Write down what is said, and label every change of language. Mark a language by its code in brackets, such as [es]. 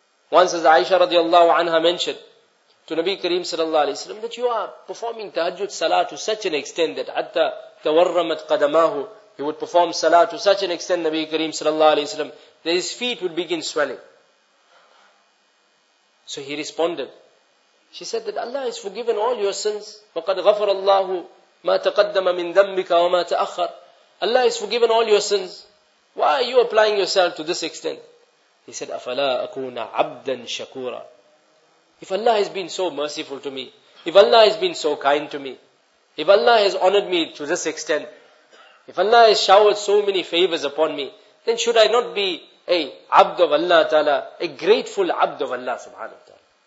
[en] Once as Aisha radiallahu anha mentioned to Nabi Kareem sallallahu alayhi wa sallam that you are performing tahajjud salah to such an extent that [ar] hatta tawarramat qadamahu, [en] he would perform salah to such an extent, Nabi Kareem sallallahu alayhi wa sallam, that his feet would begin swelling. So he responded, She said that Allah has forgiven all your sins. [ar] وَقَدْ غَفَرَ اللَّهُ مَا تَقَدَّمَ مِنْ ذَنْبِكَ وَمَا تَأَخَّرَ. [en] Allah has forgiven all your sins. Why are you applying yourself to this extent? He said, [ar] أَفَلَا أَكُونَ عَبْدًا شَكُورًا. [en] If Allah has been so merciful to me, if Allah has been so kind to me, if Allah has honored me to this extent, if Allah has showered so many favors upon me, then should I not be a abd of Allah Ta'ala, a grateful abd of Allah Subhanahu wa Ta'ala?